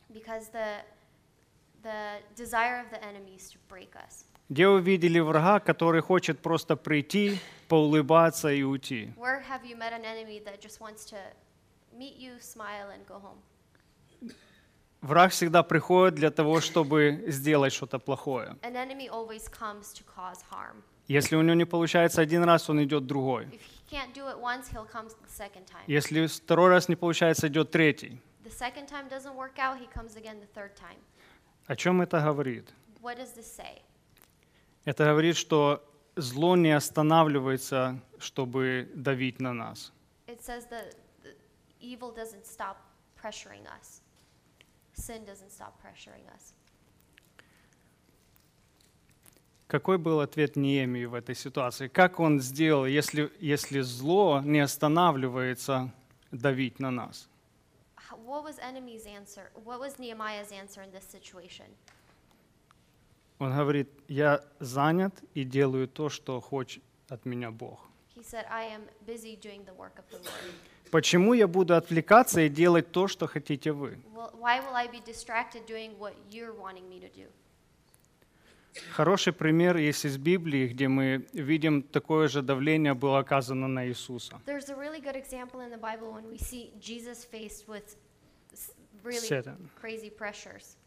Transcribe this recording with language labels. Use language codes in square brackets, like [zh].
[en] Because the desire of the enemy is to break us. [ru] Где вы видели врага, который хочет просто прийти, поулыбаться и уйти? [en] Where have you met an enemy that just wants to meet you, smile and go home? [ru] Враг всегда приходит для того, чтобы сделать что-то плохое. [en] An enemy always comes to cause harm. [ru] Если у него не получается один раз, он идет другой. [en] If he can't do it once, he'll come the second time. [ru] Если второй раз не получается, идет третий. [en] The second time doesn't work out, he comes again the third time. [ru] О чем это говорит? [en] What does this say? [ru] Это говорит, что зло не останавливается, чтобы давить на нас. [en] It says that the evil doesn't stop pressuring us. Sin doesn't stop pressuring us. [ru] Какой был ответ Неемии в этой ситуации? Как он сделал, если зло не останавливается давить на нас? [en] What was enemy's answer? What was Nehemiah's answer in this situation? [ru] Он говорит: "Я занят и делаю то, что хочет от меня Бог." [en] He said, "I am busy doing the work of the Lord." [ru] Почему я буду отвлекаться и делать то, что хотите вы? [en] Why will I be distracted doing what you're wanting me to do? [ru] Хороший пример есть из Библии, где мы видим такое же давление было оказано на Иисуса. [en] There's a really good example in the Bible when we see Jesus faced with really crazy pressures.